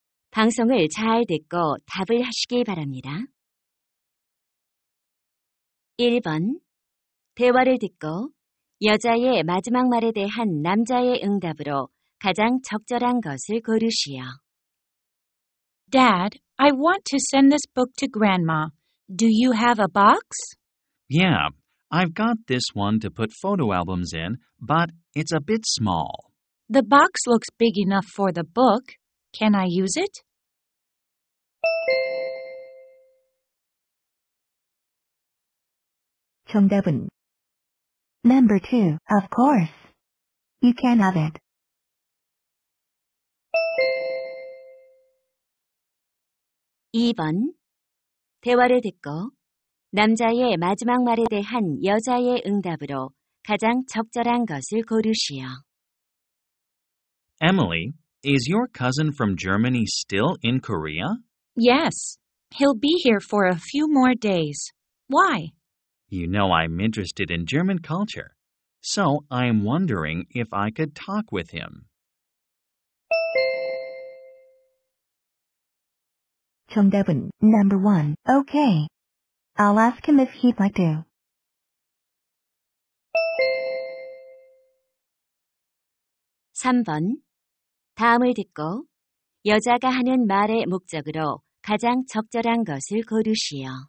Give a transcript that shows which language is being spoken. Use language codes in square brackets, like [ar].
[ko] 방송을 잘 듣고 답을 하시기 바랍니다. 1번 대화를 듣고 여자의 마지막 말에 대한 남자의 응답으로 가장 적절한 것을 고르시오. [en] Dad, I want to send this book to Grandma. Do you have a box? Yeah, I've got this one to put photo albums in, but it's a bit small. The box looks big enough for the book. Can I use it? [ko] 정답은 [en] Number 2, of course. You can have it. [ko] 2번 대화를 듣고 남자의 마지막 말에 대한 여자의 응답으로 가장 적절한 것을 고르시오. [en] Emily, is your cousin from Germany still in Korea? Yes. He'll be here for a few more days. Why? You know I'm interested in German culture, so I'm wondering if I could talk with him. [ko] 정답은 [en] number one. Okay. I'll ask him if he'd like to. [ko] 3번 다음을 듣고 여자가 하는 말의 목적으로 가장 적절한 것을 고르시오.